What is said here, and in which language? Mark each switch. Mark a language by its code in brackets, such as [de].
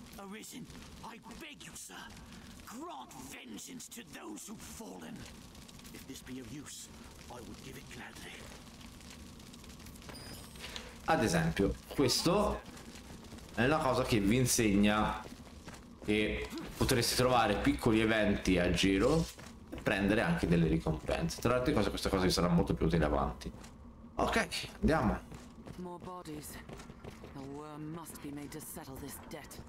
[en] Arisen, I beg you, sir, grant vengeance to those who've fallen. If this be of use, I would give it gladly. [it] Ad esempio, questo è una cosa che vi insegna che potreste trovare piccoli eventi a giro prendere anche delle ricompense. Tra le altre cose, questa cosa vi sarà molto più utile avanti. Ok, andiamo. [en] More bodies. The worm must be made to settle this debt.